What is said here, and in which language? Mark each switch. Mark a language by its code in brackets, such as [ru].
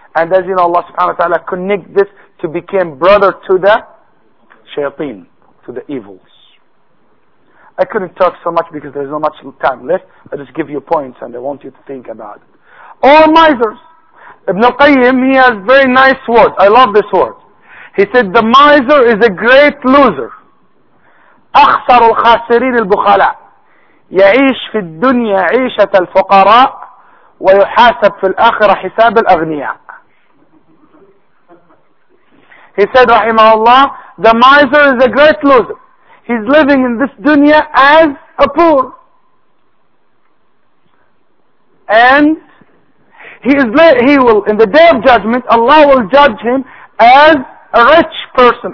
[en] And as you know, Allah [ar] subhanahu wa ta'ala [en] connect this to become brother to the shayateen, to the evils. I couldn't talk so much because there's not much time left. I just give you points and I want you to think about it. All misers. Ibn Qayyim, he has very nice words. I love this word. He said, the miser is a great loser. [ar] أخسر الخاسرين البخلاء يعيش في الدنيا عيشة الفقراء ويحاسب في الآخرة حساب الأغنياء. [en] He said, rahimahullah, the miser is a great loser. He's living in this dunya as a poor. And he will, in the day of judgment, Allah will judge him as a rich person.